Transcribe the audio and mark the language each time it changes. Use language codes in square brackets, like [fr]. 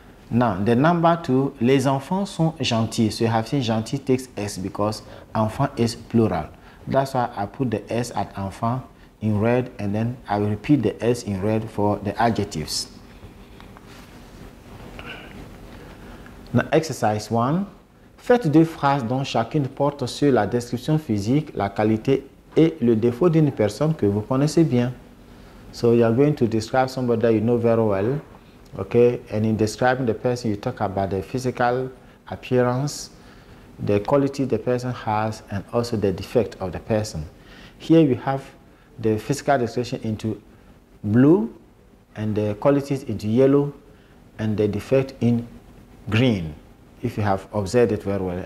[en] Now, the number two, [fr] les enfants sont gentils. [en] So you have seen gentil takes S because enfant is plural. That's why I put the S at enfant in red, and then I will repeat the S in red for the adjectives. Now, exercise one. [fr] Faites deux phrases dont chacune porte sur la description physique, la qualité et le défaut d'une personne que vous connaissez bien. [en] So you are going to describe somebody that you know very well. Okay, and in describing the person, you talk about the physical appearance, the quality the person has, and also the defect of the person. Here we have the physical description into blue, and the qualities into yellow, and the defect in green, if you have observed it very well.